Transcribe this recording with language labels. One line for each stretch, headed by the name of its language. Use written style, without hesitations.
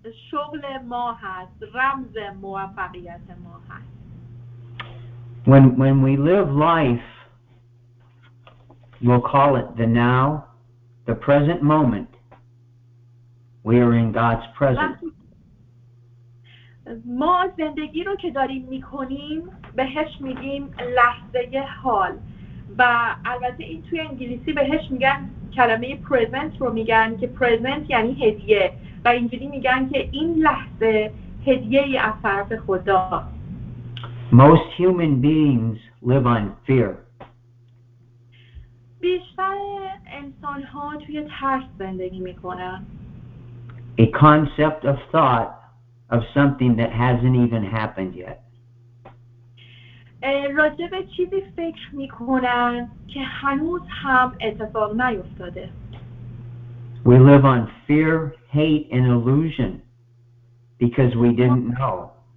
Persian: شغل ما هست، رمز موفقیت ما هست.
English: When we live life, we'll call it the now, the present moment, we are in God's presence.
Persian: ما زندگی رو که داریم میکنیم بهش میگیم لحظه حال و البته این توی انگلیسی بهش میگن کلمه present رو میگن که present یعنی هدیه و اینجوری میگن که این لحظه هدیه ای از طرف خدا.
English: Most human beings live on fear.
Persian: بیشتر انسان ها توی ترس زندگی میکنن.
English: A concept of thought of something that hasn't even happened yet.
Persian: راجع به چیزی فکر میکنن که هنوز هم اتفاق نیفتاده.
English: We live on fear, hate, and illusion because we didn't know.